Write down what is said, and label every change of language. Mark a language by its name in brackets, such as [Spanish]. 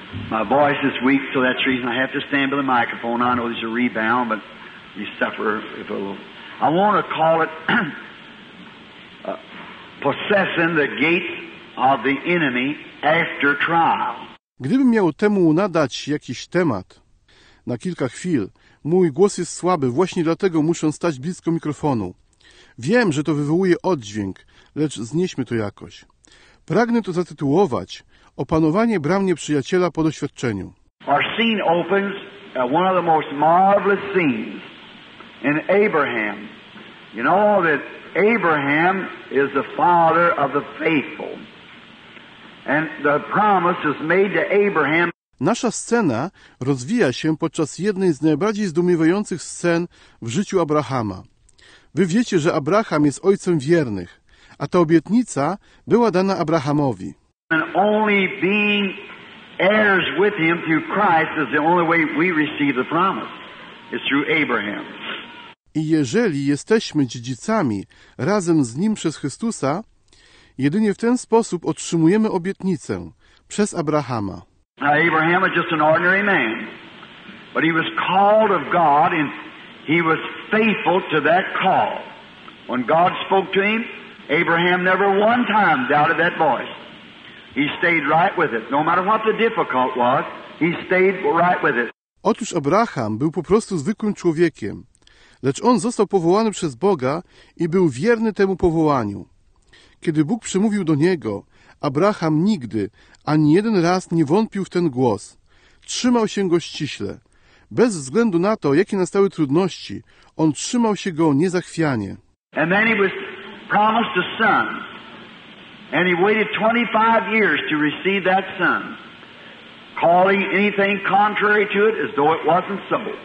[English] My voice is weak, so that's the reason I have to stand by the microphone. I know there's a rebound, but you suffer if a little. I want to call it possessing the gates of the enemy after trial. [Polish] Gdybym miał temu nadać jakiś temat na kilka chwil, mój głos jest słaby, właśnie dlatego muszę stać blisko mikrofonu. Wiem, że to wywołuje oddźwięk, lecz znieśmy to jakoś. Pragnę to zatytułować Opanowanie bram nieprzyjaciela po doświadczeniu. [English] Our scene opens at one of the most marvelous scenes in Abraham. You know that Abraham is the father of the faithful. And the promise is made to Abraham. [Polish] Nasza scena rozwija się podczas jednej z najbardziej zdumiewających scen w życiu Abrahama. Wy wiecie, że Abraham jest ojcem wiernych, a ta obietnica była dana Abrahamowi. [English] And only being heirs with him through Christ is the only way we receive the promise. It's through Abraham. [Polish] I jeżeli jesteśmy dziedzicami razem z nim przez Chrystusa, jedynie w ten sposób otrzymujemy obietnicę przez Abrahama. [English] Now Abraham was just an ordinary man, but he was called of God and he was faithful to that call. When God spoke to him, Abraham never one time doubted that voice. He stayed right with it. No matter what the difficult was, he stayed right with it. [Polish] Otóż Abraham był po prostu zwykłym człowiekiem, lecz on został powołany przez Boga i był wierny temu powołaniu. Kiedy Bóg przemówił do niego, Abraham nigdy, ani jeden raz nie wątpił w ten głos. Trzymał się go ściśle. Bez względu na to, jakie nastały trudności, on trzymał się go niezachwianie. [English] And then he was promised a son. And he waited 25 years to receive that son, calling anything contrary to it as though it wasn't so.